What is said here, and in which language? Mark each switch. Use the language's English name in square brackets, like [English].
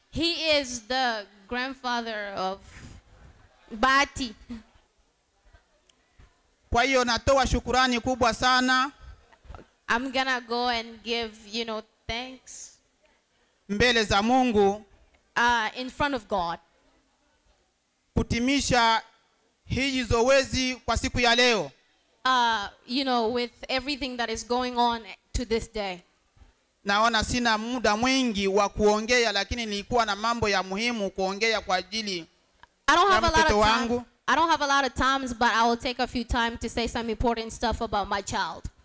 [English] He is the grandfather of Bahati. [Swahili] Kwa hiyo natoa shukurani kubwa sana. [English] I'm gonna go and give, you know, thanks. [Swahili] Mbele za Mungu. [English] In front of God. [Swahili] Kutimisha hii zoezi kwa siku ya leo. [English] You know, with everything that is going on to this day. [Swahili] Naona sina muda mwingi wa kuongea lakini nilikuwa na mambo ya muhimu kuongea kwa ajili ya mtoto wangu. [English] I don't have a lot of times but I will take a few time to say some important stuff about my child.